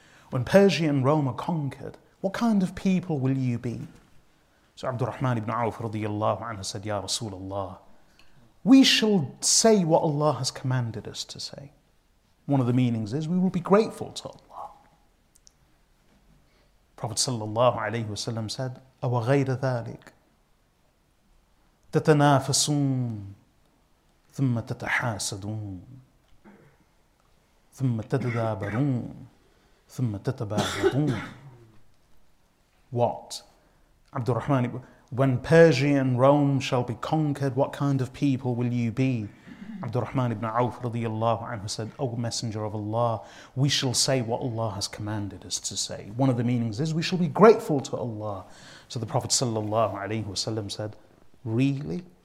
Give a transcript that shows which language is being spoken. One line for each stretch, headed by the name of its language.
English: When Persia and Rome are conquered, what kind of people will you be? So Abdurrahman ibn Awf radiallahu anhu said, Ya Rasulullah, we shall say what Allah has commanded us to say. One of the meanings is we will be grateful to Allah. Prophet sallallahu alayhi wa sallam said,
Arabic: أَوَ غَيْرَ ذَلِكَ تَتَنَافَسُونَ ثُمَّ تَتَحَاسَدُونَ ثُمَّ تَتَدَابَرُونَ ثُمَّ تَتَبَاغَضُونَ.
English: What? Abdurrahman ibn... When Persia and Rome shall be conquered, what kind of people will you be? Abdurrahman ibn Awf radiallahu anhu said, O Messenger of Allah, we shall say what Allah has commanded us to say. One of the meanings is we shall be grateful to Allah. So the Prophet sallallahu alayhi wasallam said, really?